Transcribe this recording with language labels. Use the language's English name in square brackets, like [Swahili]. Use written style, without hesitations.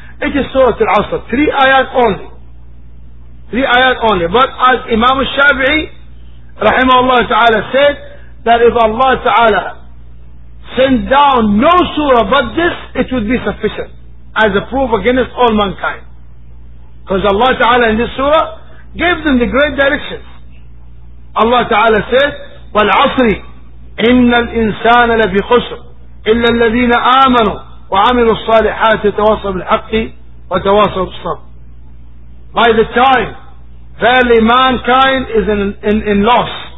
[English] It is Surah Al-Asr, three ayat only. But as Imam al-Shafi'i rahimahullah ta'ala said that if Allah ta'ala sent down no surah but this, it would be sufficient as a proof against all mankind. Because Allah ta'ala in this surah gave them the great directions. Allah ta'ala said, [Arabic] وَالْعَصْرِ إن الإنسان لفي خسر إلا الذين آمنوا وعملوا الصالحات وتواصوا بالحق وتواصوا بالصبر. [English] By the time, verily mankind is in loss.